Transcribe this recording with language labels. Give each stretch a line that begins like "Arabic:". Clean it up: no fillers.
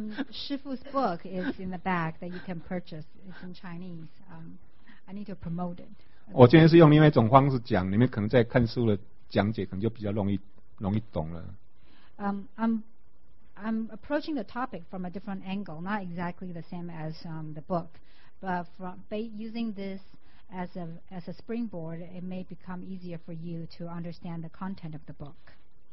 English: Shifu's book is in the back that you can purchase. It's in Chinese. I need to promote it.
Chinese: 我今天是用另外一种方式讲，你们可能在看书的讲解，可能就比较容易懂了。
English: I'm approaching the topic from a different angle, not exactly the same as the book, but from using this as a springboard, it may become easier for you to understand the content of the book.